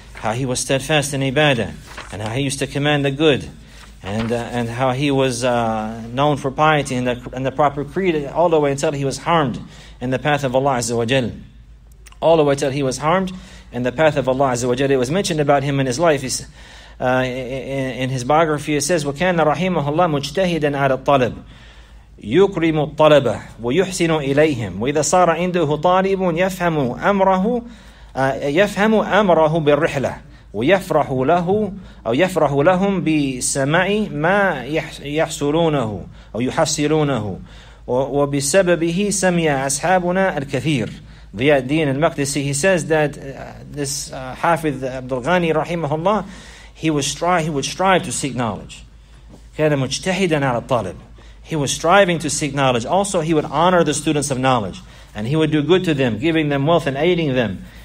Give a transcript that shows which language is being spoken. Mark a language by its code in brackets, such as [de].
[en] How he was steadfast in ibadah, and how he used to command the good, and how he was known for piety and the proper creed, all the way until he was harmed in the path of Allah Azza wa Jal. All the way until he was harmed in the path of Allah Azza wa Jal. It was mentioned about him in his life. In his biography, it says, [ar] وَكَانَ رَحِيمَهُ اللَّهُ مُجْتَهِدًا عَلَى الطَّلَبِ يُكْرِمُ الطَّلَبَ وَيُحْسِنُ إِلَيْهِمْ وَإِذَا صَارَ عِنْدُهُ طَالِبٌ يَفْهَمُ أَمْرَهُ يفهم أمره بالرحلة ويفرح له أو يفرح لهم بسماع ما يحصلونه أو يحصلونه وبسببه سمع أصحابنا الكثير ضياء الدين المقدسي. [en] He says that this Hafidh Abdul Ghani rahimahullah, he would strive to seek knowledge. [ar] كان مجتهدا على الطالب. [en] He was striving to seek knowledge. Also, he would honor the students of knowledge and he would do good to them, giving them wealth and aiding them.